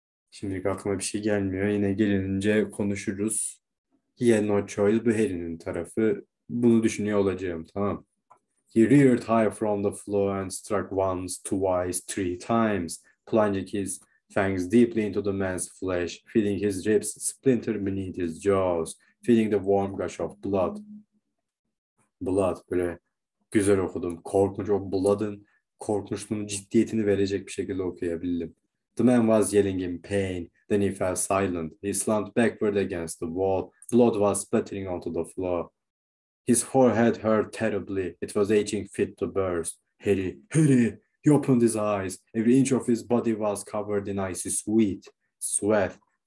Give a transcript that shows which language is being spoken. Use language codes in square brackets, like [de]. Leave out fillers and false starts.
[tr] Şimdilik aklıma bir şey gelmiyor. Yine gelince konuşuruz. [en] He had no choice. [tr] Bu Harry'nin tarafı. Bunu düşünüyor olacağım. Tamam. [en] He reared high from the floor and struck once, twice, three times, plunging his fangs deeply into the man's flesh, feeling his ribs splinter beneath his jaws, feeling the warm gush of blood. [tr] Blood. Böyle güzel okudum. Korkunç. O blood'ın korkunçluğunun ciddiyetini verecek bir şekilde okuyabildim. [en] The man was yelling in pain. Then he fell silent. He slumped backward against the wall. Blood was splattering onto the floor. His forehead hurt terribly. It was aching fit to burst. Harry, Harry! He opened his eyes. Every inch of his body was covered in icy sweat.